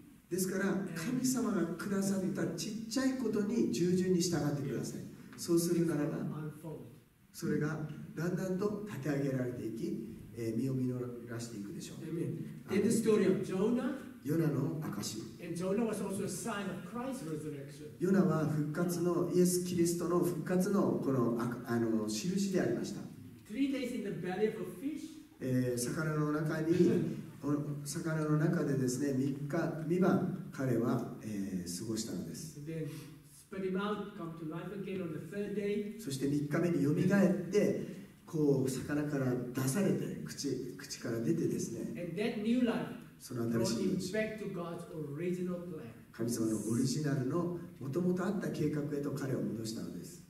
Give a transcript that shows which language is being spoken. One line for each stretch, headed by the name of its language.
Japanese: ですから神様がくださったちっちゃいことに従順に従ってください。そうするならばそれがだんだんと立て上げられていき、身を実らしていくでしょう。
English: Then the story of Jonah,
Japanese: ヨナの証。
English: And Jonah was also a sign of Christ's resurrection.
Japanese: ヨナは復活のイエス・キリストの復活のこの印でありました。
English: Three days in the belly of a fish.
Japanese: 魚の中に、魚の中でですね、三晩彼は、過ごしたのです。そして3日目によみがえって、こう魚から出されて口から出てですね、その新しい神様のオリジナルのもともとあった計画へと彼を戻したのです。